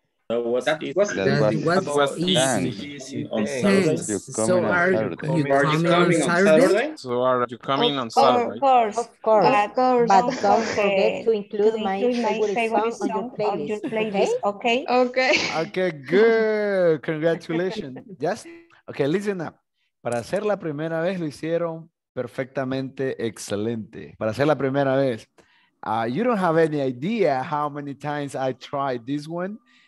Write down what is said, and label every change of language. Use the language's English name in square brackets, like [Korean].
[English] So are you coming on Saturday? Of course, but don't forget to include my favorite song on your playlist, okay? Okay, good. Congratulations. Yes. Okay, listen up. [Spanish] Para hacer la primera vez lo hicieron perfectamente excelente. Para hacer la primera vez. [English] You don't have any idea how many times I tried this one.